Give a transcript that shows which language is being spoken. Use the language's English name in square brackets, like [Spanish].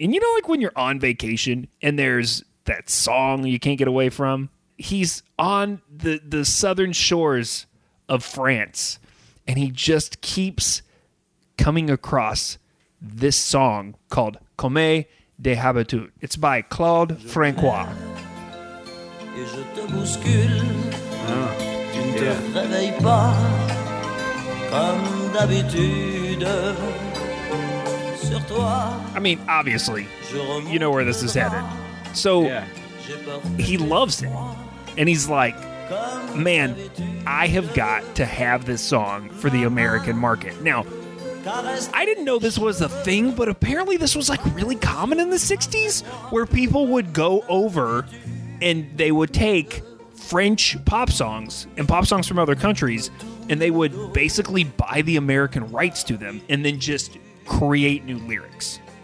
[English] And you know, like when you're on vacation and there's that song you can't get away from? He's on the southern shores of France, and he just keeps coming across this song called Comme de Habitude. It's by Claude Francois. [French] Et je te bouscule, tu ne te réveilles pas comme d'habitude. Sur toi. [English] I mean, obviously, you know where this is headed. So he loves it. And he's like, man, I have got to have this song for the American market. Now, I didn't know this was a thing, but apparently this was like really common in the 60s, where people would go over and they would take French pop songs and pop songs from other countries, and they would basically buy the American rights to them and then just create new lyrics.